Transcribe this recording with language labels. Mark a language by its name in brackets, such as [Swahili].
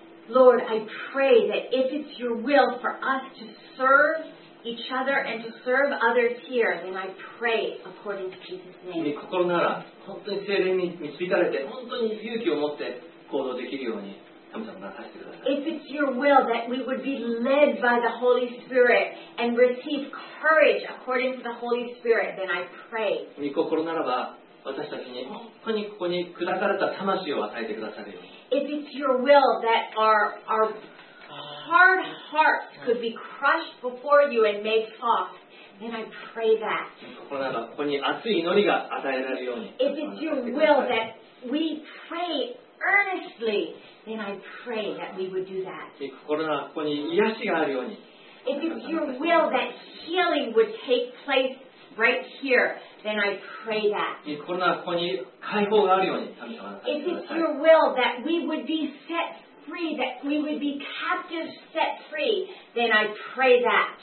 [English] Lord, I pray that if it's your will for us to serve each other and to serve others here, then I pray according to Jesus' name. [Japanese] 心なら本当に聖霊に導かれて本当に勇気を持って行動できるように神様がさせてください。 [English] If it's your will that we would be led by the Holy Spirit and receive courage according to the Holy Spirit, then I pray. [Japanese] 御心ならば私たちに本当にここに砕かれた魂を与えてくださるように。 [English] If it's your will that our hard hearts could be crushed before you and made soft, then I pray that. [Japanese] 心ならここに熱い祈りが与えられるように。 [English] If it's your will that we pray earnestly, then I pray that we would do that. [Japanese] 心ならここに癒しがあるように。 [English] If it's your will that healing would take placeRight here, then I pray that. If it's your will that we would be set free, that we would be captives set free, then I pray that.